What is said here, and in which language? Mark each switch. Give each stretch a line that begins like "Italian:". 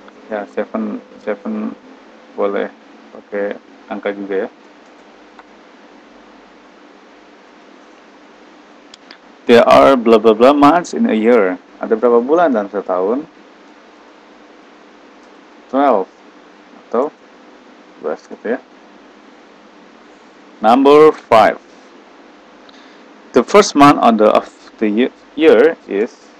Indonesian: Ya, 7 boleh pakai angka juga ya.
English: There are blah blah blah months in a year.
Indonesian: Ada berapa bulan dalam setahun? 12 atau 12 gitu ya.
English: Number 5. The first month of the year is